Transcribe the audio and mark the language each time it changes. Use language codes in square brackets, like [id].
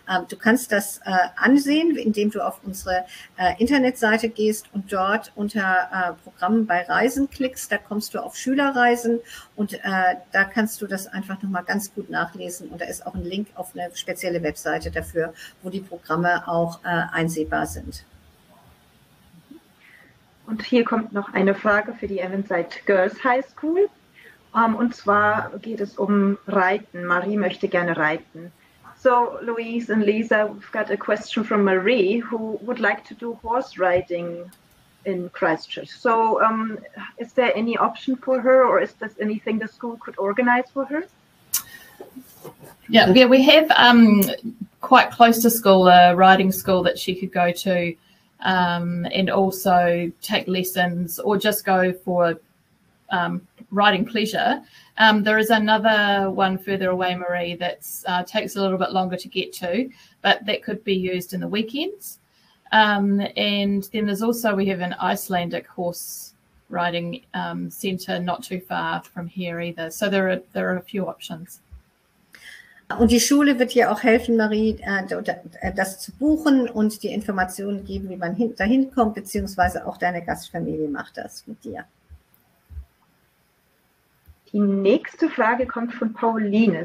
[de] Du kannst das ansehen, indem du auf unsere Internetseite gehst und dort unter Programmen bei Reisen klickst, da kommst du auf Schülerreisen und da kannst du das einfach nochmal ganz gut nachlesen und da ist auch ein Link auf eine spezielle Webseite dafür, wo die Programme auch einsehbar sind. Und hier kommt noch eine Frage für die Evanside Girls High School. Und zwar geht es um Reiten. Marie möchte gerne reiten. [en] So, Louise and Lisa, we've got a question from Marie, who would like to do horse riding in Christchurch. So, is there any option for her or is this anything the school could organize for her? Yeah, we have quite close to school, a riding school that she could go to and also take lessons or just go for riding pleasure. There is another one further away, Marie, that takes a little bit longer to get to, but that could be used in the weekends. And then there's also, we have an Icelandic horse riding centre not too far from here either. So there are a few options. [de] Und die Schule wird dir auch helfen, Marie, das zu buchen und die Informationen geben, wie man dahin kommt, beziehungsweise auch deine Gastfamilie macht das mit dir. Die nächste Frage kommt von Pauline.